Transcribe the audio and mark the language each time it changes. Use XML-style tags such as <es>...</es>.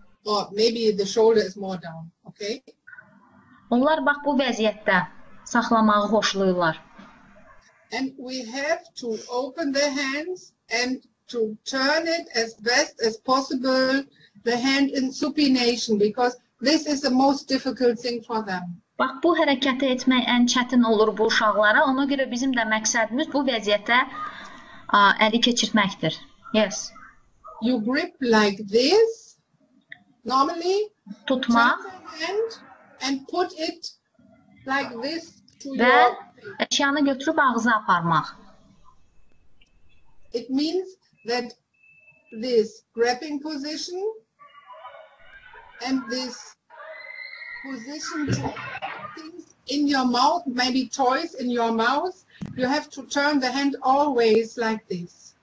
<en>Or maybe the shoulder is more down. Okay.</en> <az>Onlar bax bu vəziyyətdə saxlamağı xoşlayırlar.</az> <en>And we have to open the hands and to turn it as best as possible, the hand in supination, because this is the most difficult thing for them.</en> <az>Bax, bu hərəkəti etmək ən çətin olur bu uşaqlara. Ona görə bizim də məqsədimiz bu vəziyyətə əli keçirməkdir. Yes.</az> <en>You grip like this, normally.</en> <az>Tutma.</az> <en>Hand and put it like this to</en> <az>və</az> <en>your...</en> <az>əşyanı götürüb ağza aparmaq.</az> <en>It means that this grabbing position and this position to things in your mouth, maybe toys in your mouth, you have to turn the hand always like this.</en>